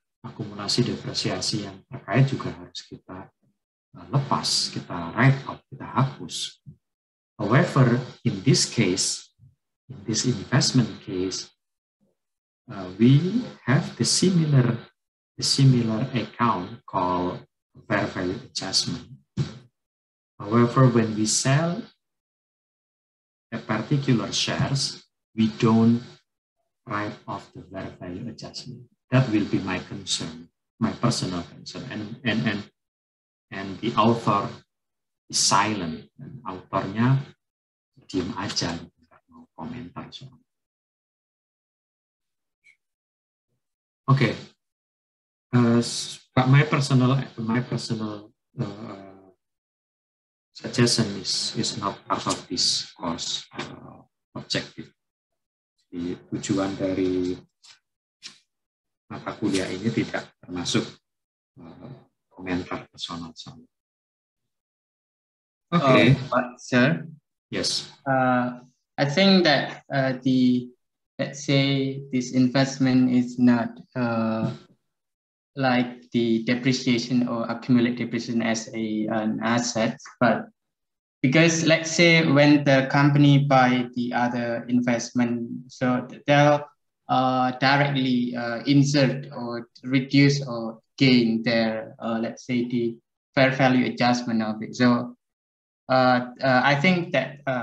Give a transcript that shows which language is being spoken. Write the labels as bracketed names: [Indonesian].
[Indonesian] Akumulasi depresiasi yang terkait juga harus kita lepas, kita write off, kita hapus. [English] However, in this case, in this investment case, we have the similar account called fair value adjustment. However, when we sell a particular shares, we don't write off the fair value adjustment. That will be my concern, my personal concern. And the author is silent. [Indonesian] And authornya diam aja. Komentar soal. [English] Okay, but my personal suggestion is not part of this course objective. [Indonesian] Jadi, tujuan dari mata kuliah ini tidak termasuk komentar personal soal. [English] Okay, sir. Yes. I think that let's say this investment is not like the depreciation or accumulated depreciation as an asset, but because let's say when the company buy the other investment, so they'll directly insert or reduce or gain their, let's say the fair value adjustment of it. So I think that,